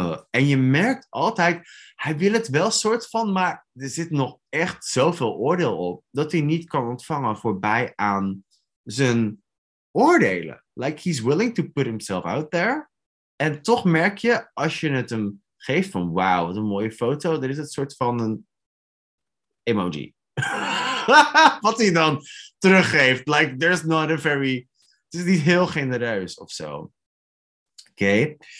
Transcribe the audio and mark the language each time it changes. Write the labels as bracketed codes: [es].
[nl] En je merkt altijd, hij wil het wel soort van, maar er zit nog echt zoveel oordeel op. Dat hij niet kan ontvangen voorbij aan zijn... oordelen. [en] Like he's willing to put himself out there. [nl] En toch merk je, als je het hem geeft van wauw, wat een mooie foto, dan is het soort van een emoji. Wat hij dan teruggeeft. Like there's not a very... Het is niet heel genereus of zo. Oké. Okay.